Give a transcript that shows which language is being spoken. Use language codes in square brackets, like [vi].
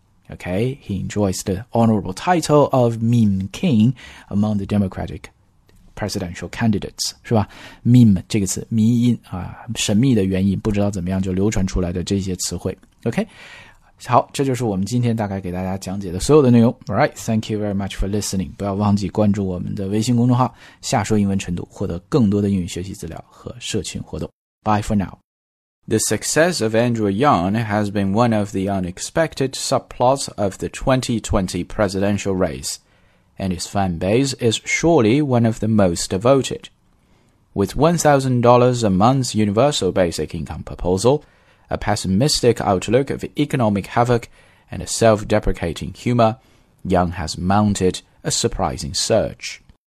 [en] Okay, he enjoys the honorable title of Meme King among the Democratic presidential candidates, [zh] 是吧？ Meme 这个词，迷因啊，神秘的原因，不知道怎么样就流传出来的这些词汇。 Okay, 好，这就是我们今天大概给大家讲解的所有的内容。 [en] All right, thank you very much for listening. [zh] 不要忘记关注我们的微信公众号，下说英文程度，获得更多的英语学习资料和社群活动。 [en] Bye for now. The success of Andrew Yang has been one of the unexpected subplots of the 2020 presidential race, and his fan base is surely one of the most devoted. With $1,000 a month universal basic income proposal, a pessimistic outlook of economic havoc, and a self-deprecating humor, Yang has mounted a surprising surge.